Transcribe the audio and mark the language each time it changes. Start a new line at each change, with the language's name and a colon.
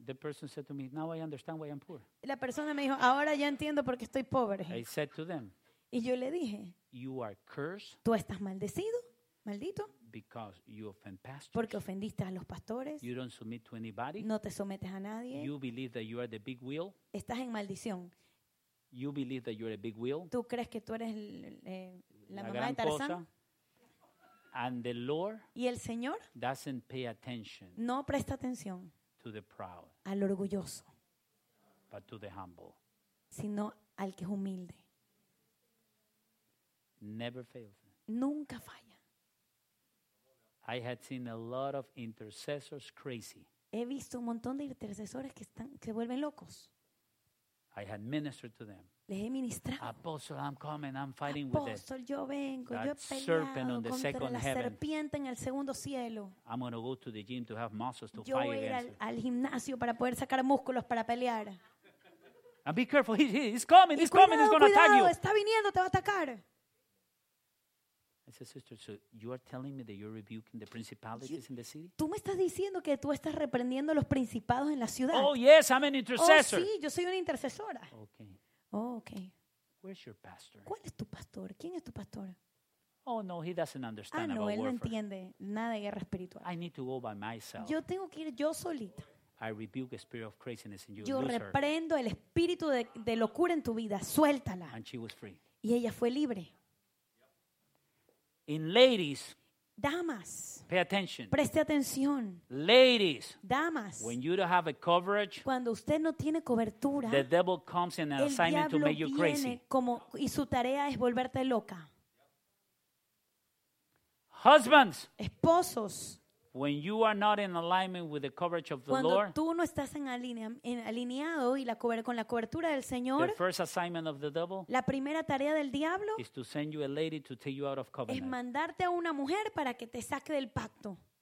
English: the person said to me, "Now I understand why I'm poor."
Spanish: La persona me dijo, "Ahora ya entiendo por qué estoy pobre."
English: I said to them,
Spanish: y yo le dije,
English: "You are cursed."
Spanish: Tú estás maldecido, maldito.
English: Because you offend pastors.
Spanish: Porque ofendiste a los pastores.
English: You don't submit to anybody.
Spanish: No te sometes a nadie.
English: You believe that you are the big wheel.
Spanish: Estás en maldición.
English: You believe that you are a big wheel.
Spanish: Tú crees que tú eres la mamá
English: gran
Spanish: de Tarzán.
English: And the Lord,
Spanish: y el Señor,
English: doesn't pay attention,
Spanish: no presta atención,
English: to the proud,
Spanish: al orgulloso,
English: but to the humble,
Spanish: sino al que es humilde.
English: Never fails.
Spanish: Nunca falla.
English: I had seen a lot of intercessors crazy.
Spanish: He visto un montón de intercesores que están, que se vuelven locos.
English: I had ministered to them.
Spanish: Les he ministrado.
English: Apostle, I'm coming, I'm fighting apostle, with it.
Spanish: Apostle, yo vengo, yo he peleado
English: on the
Spanish: contra la
English: heaven.
Spanish: Serpiente en el segundo cielo.
English: I'm gonna go to the gym to have muscles to
Spanish: yo
English: fight against.
Spanish: Yo voy al gimnasio para poder sacar músculos para pelear.
English: And be careful, he's coming, he's gonna attack you.
Spanish: Está viniendo, te va a atacar.
English: I said, sister, so you are telling me that you're rebuking the principalities in the city?
Spanish: Tú me estás diciendo que tú estás reprendiendo los principados en la ciudad.
English: Oh yes, I'm an intercessor.
Spanish: Oh sí, yo soy una intercesora.
English: Okay. Oh, okay. Where's your pastor?
Spanish: ¿Cuál es tu pastor? ¿Quién es tu pastor?
English: Oh no, he doesn't understand.
Spanish: Ah, no,
English: about
Spanish: él
English: warfare.
Spanish: No entiende nada de guerra espiritual.
English: I need to go by myself.
Spanish: Yo tengo que ir yo solita.
English: I rebuke the spirit of craziness in you.
Spanish: Yo reprendo el espíritu de locura en tu vida. Suéltala.
English: And she was free.
Spanish: Y ella fue libre.
English: In ladies.
Spanish: Damas.
English: Pay attention.
Spanish: Preste atención.
English: Ladies.
Spanish: Damas.
English: When you don't have a coverage.
Spanish: Cuando usted no tiene cobertura.
English: The devil comes in an assignment to make you crazy.
Spanish: Como, y su tarea es volverte loca.
English: Husbands.
Spanish: Esposos.
English: When you are not in alignment with the coverage of the
Spanish: cuando
English: Lord.
Spanish: Cuando tú no estás alineado y con la cobertura del Señor.
English: The first assignment of the devil.
Spanish: La primera tarea del diablo.
English: Is to send you a lady to take you out of covenant.
Spanish: Es mandarte a una mujer para que te saque del pacto.